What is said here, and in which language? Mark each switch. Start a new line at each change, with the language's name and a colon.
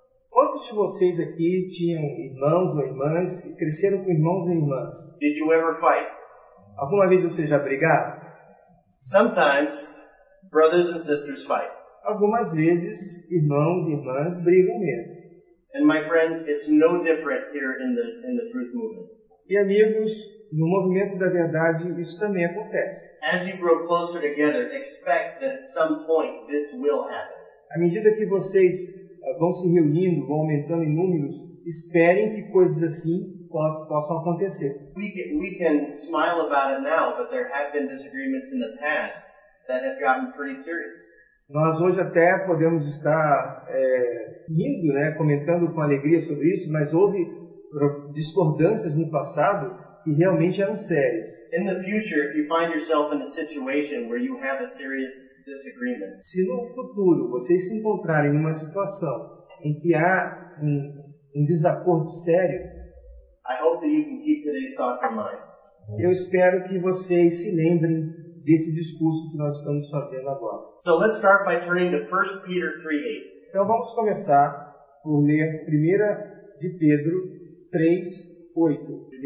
Portuguese: Quantos de vocês aqui tinham irmãos ou irmãs e cresceram com irmãos e irmãs?
English: Did you ever fight?
Portuguese: Alguma vez vocês já brigaram?
English: Sometimes brothers and sisters fight.
Portuguese: Algumas vezes irmãos e irmãs brigam mesmo.
English: And my friends, it's no different here in the truth movement.
Portuguese: E amigos, no movimento da verdade isso também acontece.
English: As you grow closer together, expect that at some point this will happen.
Portuguese: À medida que vocês vão se reunindo, vão aumentando em números, esperem que coisas assim possam acontecer.
English: We can smile about it now, but there have been disagreements in the past that have gotten pretty serious.
Portuguese: Nós hoje até podemos estar rindo, né, comentando com alegria sobre isso, mas houve discordâncias no passado que realmente eram sérias.
English: In the future, if you find yourself in a situation where you have a serious disagreement.
Portuguese: Se no futuro vocês se encontrarem numa situação em que há um desacordo sério,
English: I hope that you can keep today's thoughts in mind.
Portuguese: Eu espero que vocês se lembrem desse discurso que nós estamos fazendo agora.
English: So let's start by turning to 1 Peter 3:8.
Portuguese: Então vamos começar por ler 1 Pedro 3:8.